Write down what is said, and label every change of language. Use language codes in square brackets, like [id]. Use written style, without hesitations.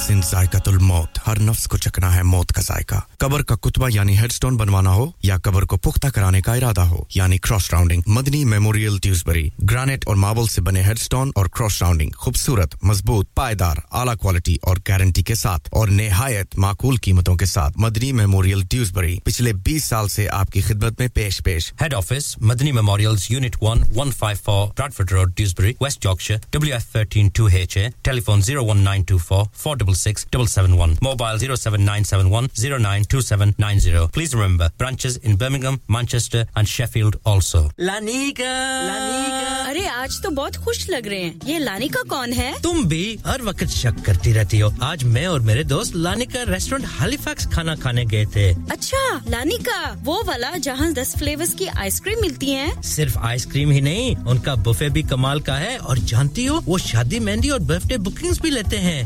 [hi] जायकतुल मौत हर नफ्स को चखना है मौत का जायका कब्र का कुतबा यानी हेडस्टोन बनवाना हो या कब्र को पुख्ता कराने का इरादा हो यानी cross rounding Madani memorial Dewsbury granite और मार्बल से बने हेडस्टोन और क्रॉस राउंडिंग खूबसूरत मजबूत पायदार आला क्वालिटी और गारंटी के साथ और نہایت معقول قیمتوں کے ساتھ مدنی میموریل ڈیوزبری پچھلے 20 سال سے آپ کی خدمت میں پیش پیش head office Madani میموریلز unit 1 154 برادفورڈ road Dewsbury waste Yorkshire WF13 2HA tele phone 01924 466 771 [en] Mobile 07971 092790 Please remember branches in Birmingham, Manchester and Sheffield also. Lanika, Lanika. [hi] अरे आज तो बहुत खुश लग रहे हैं. ये Lanika कौन है? तुम भी हर वक्त शक करती रहती हो. आज मैं और मेरे दोस्त Lanika Restaurant Halifax खाना खाने गए थे. अच्छा, Lanika, वो वाला जहाँ 10 flavours की आइसक्रीम मिलती हैं? सिर्फ आइसक्रीम ही नहीं, उनका बुफे भी कमाल का है. और जानती हो, वो शादी, मेहंदी और बर्थडे बुकिंग्स भी लेते हैं.